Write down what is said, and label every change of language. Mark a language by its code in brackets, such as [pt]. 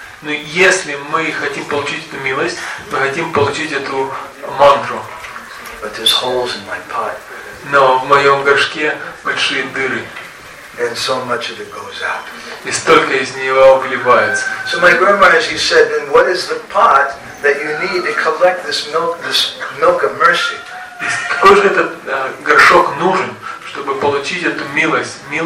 [ru] Но если мы хотим получить эту милость, мы хотим получить эту мантру. [en] But there's holes in my pot. [ru] Но в моем горшке большие дыры. [en] And so much of it goes out. [ru] И столько из него выливается. [en] So my grandma, as you said, then what is the pot that you need to collect this milk of mercy? [ru] Какой же этот горшок нужен, чтобы получить эту милость?